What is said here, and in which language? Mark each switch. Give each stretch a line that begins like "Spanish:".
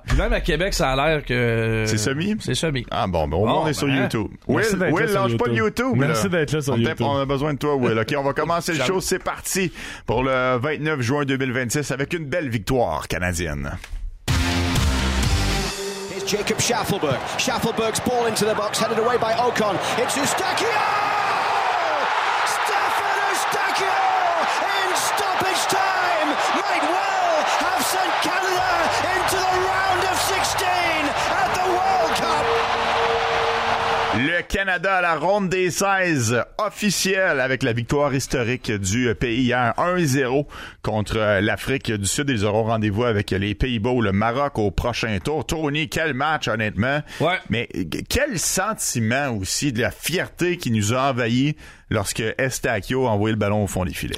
French: Puis même à Québec, ça a l'air que... C'est semi? C'est semi. Ah bon, mais on est sur YouTube. Will, lâche pas YouTube. Merci d'être là sur YouTube. On a besoin de toi, Will. OK, on va commencer le show. C'est parti pour le 29 juin 2026 avec une belle victoire canadienne. Jacob Schaffelberg.
English: Schaffelberg's ball into the box, headed away by Ocon. It's Eustachio! Stefan Eustachio! In stoppage time! Might well have sent Canada into the round of 16 at the World Cup!
French: Le Canada à la ronde des 16, officielle avec la victoire historique du pays hier, 1-0 contre l'Afrique du Sud. Ils auront rendez-vous avec les Pays-Bas ou le Maroc au prochain tour. Tony, quel match, honnêtement. Ouais. Mais quel sentiment aussi de la fierté qui nous a envahi lorsque Eustachio a envoyé le ballon au fond des filets.